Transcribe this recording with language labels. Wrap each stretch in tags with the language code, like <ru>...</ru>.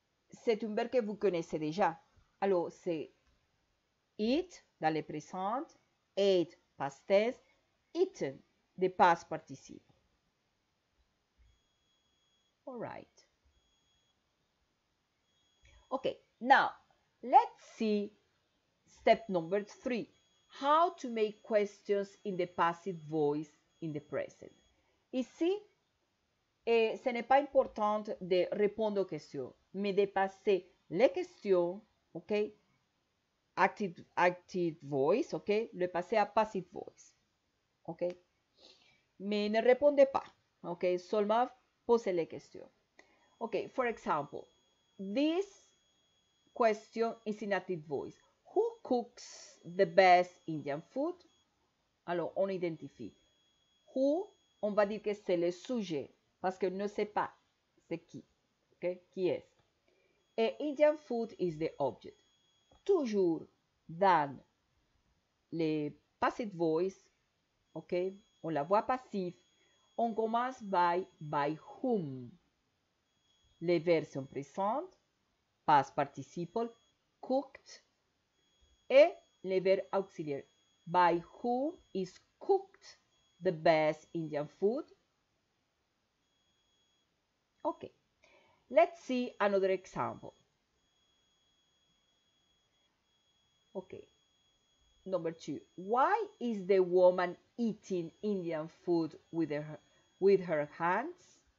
<fr>C'est un verbe que vous connaissez déjà. Alors, c'est eat dans le présent,</fr> <en>ate past tense, eaten, the past participle. All right. Okay, now, let's see step number three. How to make questions in the passive voice in the present.</en> <fr>Ici, et ce n'est pas important de répondre aux questions, mais de passer les questions, ok, active voice, ok, le passer à passive voice. Ok, mais ne répondez pas, ok, seulement posez les questions.</fr> <en>Ok, for example, this question is in active voice. Who cooks the best Indian food?</en> <fr>Alors, on identifie. Who, on va dire que c'est le sujet, parce qu'on ne sait pas c'est qui, ok, qui est. Et</fr> <en>Indian food is the object.</en> <fr>Toujours dans le passive voice, ok, on la voit passive, on commence by whom. Les versions présentes, past participle, cooked, et les verbes auxiliaires.</fr> <en>By whom is cooked the best Indian food? Ok, let's see another example. Ok, number two. Why is the woman eating Indian food with her hands?</en>